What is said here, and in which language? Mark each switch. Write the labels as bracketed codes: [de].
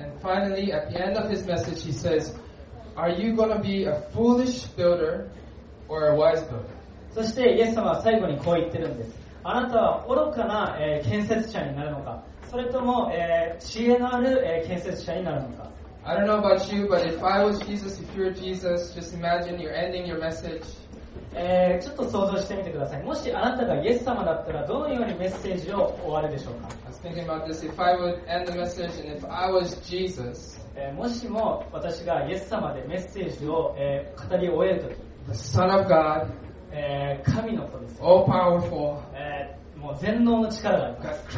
[en] And finally, at the end of his message, he says, Are you going to be a foolish builder or a wise builder? [ja] そしてイエス様は最後にこう言ってるんです。あなたは愚かな建設者になるのか、それとも知恵のある建設者になるのか。 [en] I don't know about you, but if I was Jesus, if you're Jesus, just imagine you're ending your message. [ja] ちょっと想像してみてください。もしあなたがイエス様だったら、どのようにメッセージを終わるでしょうか。 [en] I was thinking about this. If I would end the message, and if I was Jesus. [ja] もしも私がイエス様でメッセージを語り終えるとき。 [en] The Son of God. [ja] 神の子です。 [en] All powerful. [ja] もう全能の力があります。